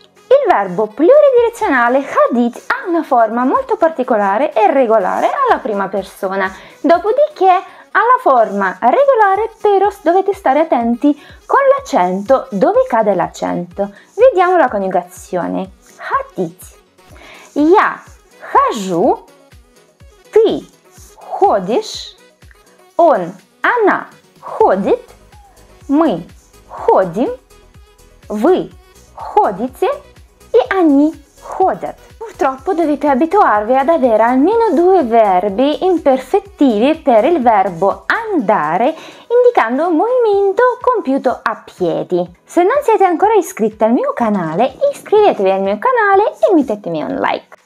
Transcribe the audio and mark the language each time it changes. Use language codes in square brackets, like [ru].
[it] Il verbo pluridirezionale hadit ha una forma molto particolare e regolare alla prima persona. Dopodiché ha la forma regolare, però dovete stare attenti con l'accento, dove cade l'accento. Vediamo la coniugazione. Hadit. [ru] Я хожу, ты ходишь, он, она ходит, мы ходим, вы ходите, и они ходят. [it] Purtroppo dovete abituarvi ad avere almeno due verbi imperfettivi per il verbo andare, indicando un movimento compiuto a piedi. Se non siete ancora iscritti al mio canale, iscrivetevi al mio canale e mettetemi un like.